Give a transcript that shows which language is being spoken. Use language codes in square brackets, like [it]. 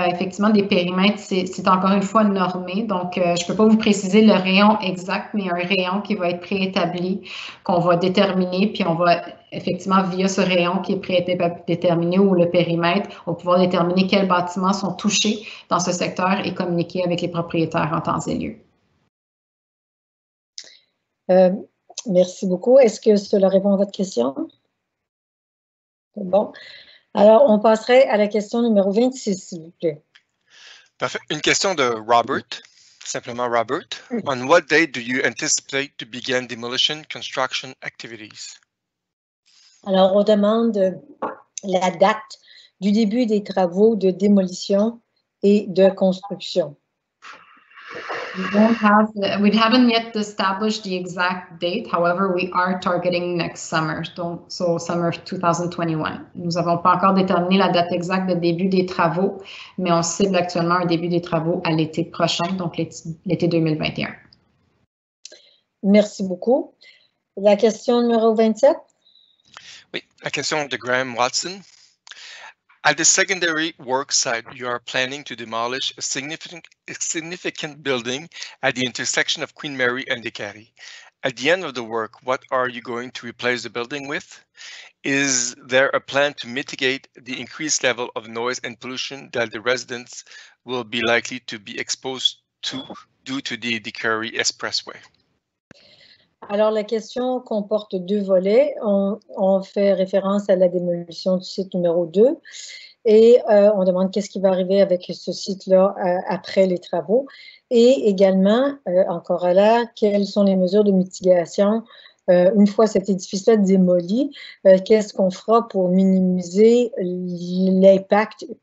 [fr] Effectivement, des périmètres, c'est encore une fois normé. Donc, je ne peux pas vous préciser le rayon exact, mais un rayon qui va être préétabli, qu'on va déterminer, puis on va effectivement, via ce rayon qui est prédéterminé ou le périmètre, on va pouvoir déterminer quels bâtiments sont touchés dans ce secteur et communiquer avec les propriétaires en temps et lieu. Merci beaucoup. Est-ce que cela répond à votre question? Bon. Alors, on passerait à la question numéro 26, s'il vous plaît. Parfait. Une question de Robert, simplement Robert. [en] On what date do you anticipate to begin demolition construction activities? [fr] Alors, on demande la date du début des travaux de démolition et de construction. [en] We haven't yet established the exact date. However, we are targeting next summer, so summer 2021. [fr] Nous n'avons pas encore déterminé la date exacte de début des travaux, mais on cible actuellement un début des travaux à l'été prochain, donc l'été 2021. Merci beaucoup. La question numéro 27. Oui, la question de Graham Watson. [en] At the secondary work site, you are planning to demolish a significant building at the intersection of Queen Mary and Ikari. At the end of the work, what are you going to replace the building with? Is there a plan to mitigate the increased level of noise and pollution that the residents will be likely to be exposed to due to the Ikari Expressway? [fr] Alors, la question comporte deux volets. On fait référence à la démolition du site numéro 2 et on demande qu'est-ce qui va arriver avec ce site-là après les travaux. Et également, en corollaire, quelles sont les mesures de mitigation une fois cet édifice-là démoli, qu'est-ce qu'on fera pour minimiser l'impact